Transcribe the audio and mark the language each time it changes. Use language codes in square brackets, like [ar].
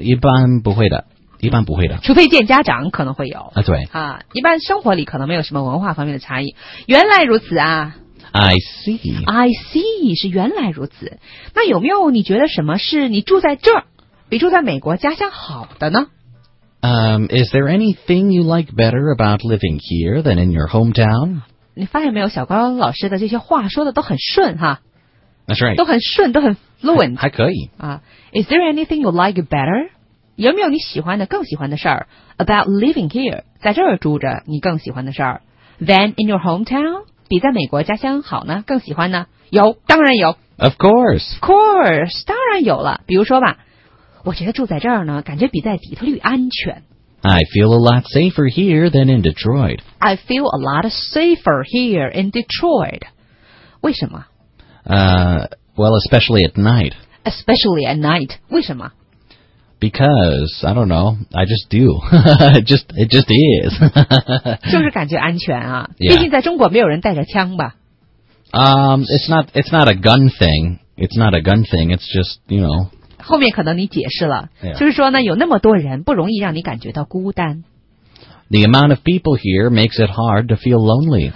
[zh] 一般不会的，一般不会的。除非见家长可能会有啊，对啊，一般生活里可能没有什么文化方面的差异。原来如此啊。 [en] I see. I see [zh] 是原来如此。那有没有你觉得什么是你住在这儿比住在美国家乡好的呢？ [en] Is there anything you like better about living here than in your hometown? [zh] 你发现没有小高老师的这些话说的都很顺哈 [en] That's right. [zh] 都很顺都很 fluent. 还可以。 [en] Is there anything you like better? [zh] 有没有你喜欢的更喜欢的事儿 [en] about living here, [zh] 在这儿住着你更喜欢的事儿 [en] than in your hometown? [zh] 比在美国家乡好呢更喜欢呢有当然有。 [en] Of course. Of course. [zh] 当然有了比如说吧。我觉得住在这儿呢，感觉比在底特律安全。 [en] I feel a lot safer here than in Detroit. I feel a lot safer here in Detroit. [zh] 为什么？ [en] Well, especially at night. Especially at night. [zh] 为什么？ [en] Because, I don't know, I just do. it just is. [zh] 就是感觉安全啊。 [en] Yeah. [zh] 毕竟在中国没有人带着枪吧。 [en] It's not a gun thing. It's not a gun thing. It's just, you know... [zh] 后面可能你解释了、 [en] yeah. [zh] 就是说呢有那么多人不容易让你感觉到孤单 [en] The amount of people here makes it hard to feel lonely